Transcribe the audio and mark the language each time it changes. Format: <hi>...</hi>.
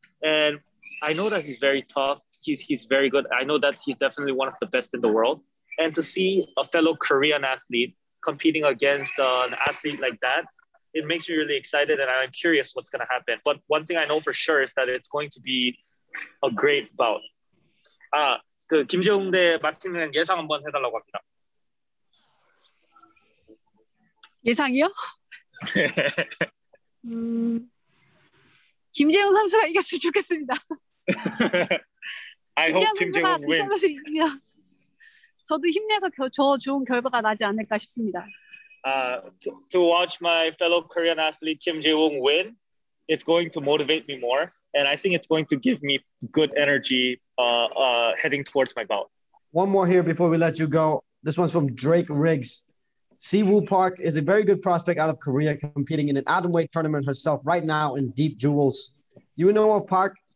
<en>And I know that he's very tough. He's very good. I know that he's definitely one of the best in the world. And to see a fellow Korean athlete competing against an athlete like that, it makes me really excited and I'm curious what's going to happen. But one thing I know for sure is that it's going to be a great bout.</en> <ko>아, 그 김재웅 대 마틴은 예상 한번 해달라고 합니다. 예상이요? 김재웅 선수가 이겼으면 좋겠습니다.</ko> <en>I hope 김재웅</en> <ko>선수가 이 선수 이기면 저도 힘내서 저 좋은 결과가 나지 않을까 싶습니다.</ko> <en>To watch my fellow Korean athlete Kim Jae-woong win, it's going to motivate me more, and I think it's going to give me good energy heading towards my bout. One more here before we let you go. This one's from Drake Riggs. Siwoo Park is a very good prospect out of Korea competing in an atomweight tournament herself right now in Deep Jewels. Do you know of Park?</en>